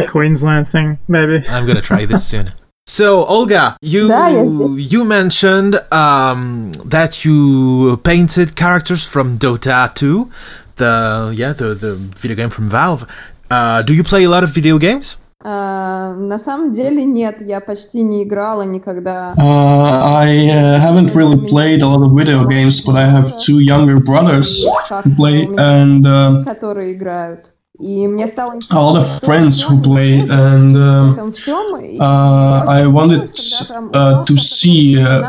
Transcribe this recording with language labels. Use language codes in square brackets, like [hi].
[en] It's a Queensland thing, maybe. I'm going to try this soon. So, Olga, you mentioned that you painted characters from Dota 2, the video game from Valve. Do you play a lot of video games? [ru] На самом деле нет, я почти не играла никогда. [en] I haven't really played a lot of video games, but I have two younger brothers who play, and a lot of friends who play, and I wanted to see.